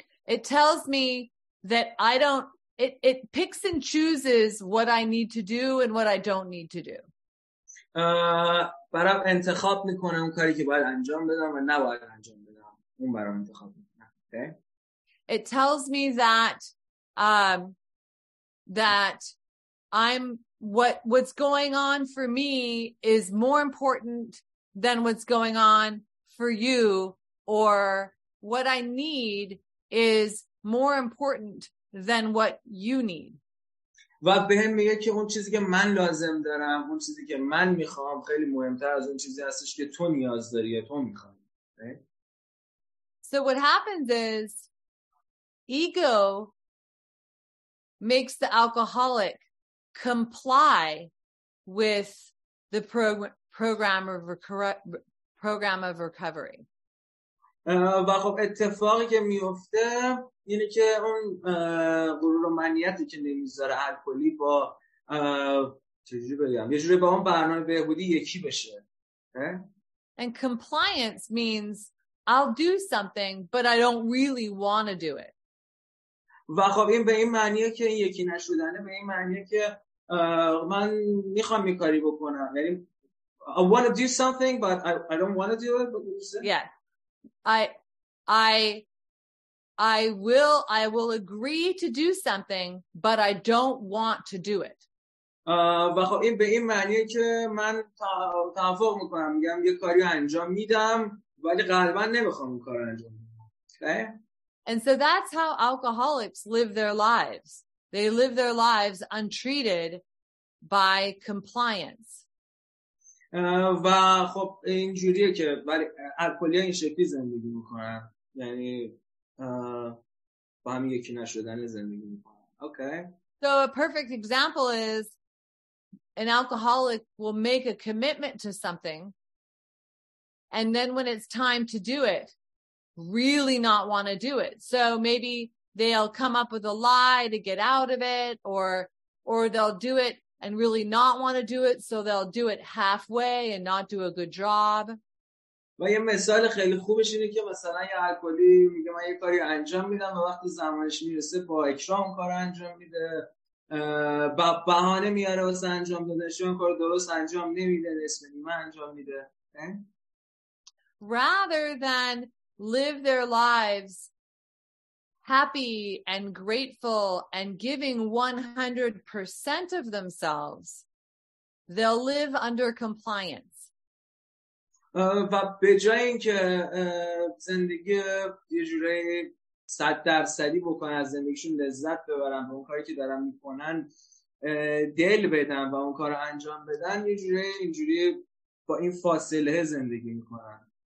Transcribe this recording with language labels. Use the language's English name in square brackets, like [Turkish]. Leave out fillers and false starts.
[English] It tells me that I don't it picks and chooses what I need to do and what I don't need to do. [Persian] برام انتخاب میکنه اون کاری که باید انجام بدم و نباید انجام بدم، اون برام انتخاب میکنه. [English] Okay. It tells me that that I'm what's going on for me is more important than what's going on for you, or what I need is more important than what you need. [Persian] و به هم میگه که اون چیزی که من لازم دارم، اون چیزی که من میخوام خیلی مهمتر از اون چیزی هستش که تو نیاز داری یا تو میخوای. [English] So what happens is ego makes the alcoholic comply with the program of recovery. [Persian] و خب اتفاقی که میفته اینه که اون غرور و منیتی که نمیذاره الکلی با چجوری بگم یه جوری با اون برنامه بهبودی یکی بشه. [English] And compliance means I'll do something but I don't really want to do it. [Persian] و خب این به این معنیه که این یکی نشدنه به این معنیه که من میخوام یه کاری بکنم، یعنی [English] I want to do something but I don't want to do it. Yeah. I I will agree to do something, but I don't want to do it. [Persian] و خب این به این معنیه که من توافق میکنم، میگم یه کاری انجام میدم ولی غالبا نمیخوام اون کارو انجام بدم. [English] Okay? And so that's how alcoholics live their lives. They live their lives untreated by compliance. [Persian] و خب این جوریه که ولی الکلی‌ها این شکلی زندگی میکنن، یعنی با هم یکی نشدن زندگی میکنن. [English] Okay. So a perfect example is an alcoholic will make a commitment to something and then when it's time to do it, really not want to do it. So maybe they'll come up with a lie to get out of it, or they'll do it and really not want to do it, so they'll do it halfway and not do a good job. [Persian] و یه مثال خیلی خوبش اینه که مثلا یه الکلی میگه من یه کاری انجام میدم و وقتی زمانش میرسه با اکرام کار انجام میده، با بهانه میاره واسه انجام دادنش، اون کار درست انجام نمیده، اسم نیمه انجام میده. [English] Rather than live their lives happy and grateful and giving 100% of themselves, they'll live under compliance. [Persian] و به جای اینکه زندگی یه جوری 100% بکنن، از زندگیشون لذت ببرن و اون کاری که دارن میکنن دل بدن و اون کارو انجام بدن، یه جوری اینجوری با این فاصله زندگی میکنن.